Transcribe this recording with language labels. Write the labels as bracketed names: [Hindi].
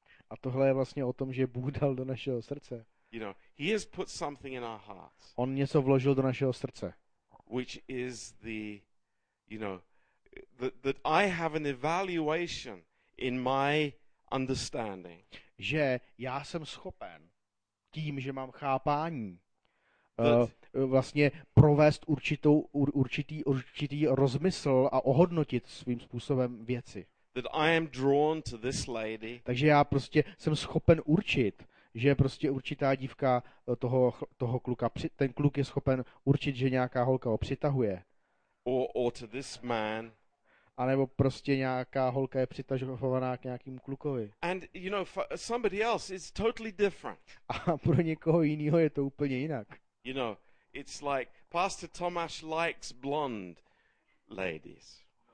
[Czech] A tohle je vlastně o tom, že Bůh dal do našeho srdce. [English] You know, he has put something in our hearts. [Czech] On něco vložil do našeho srdce. [English] Which is the, you know, that I have an evaluation in my understanding. [Czech] Že já jsem schopen tím, že mám chápání, vlastně provést určitý rozmysl a ohodnotit svým způsobem věci. [English] That I am drawn to this lady. [Czech] Takže já prostě jsem schopen určit, že prostě určitá dívka toho kluka, ten kluk je schopen určit, že nějaká holka ho přitahuje. [English] Or to this man. [Czech] A nebo prostě nějaká holka je přitažovaná k nějakým klukovi. [English] And you know, for somebody else it's totally different. [Czech] A pro někoho jiného je to úplně jinak. [English] You know, it's like Pastor Tomáš likes blonde ladies.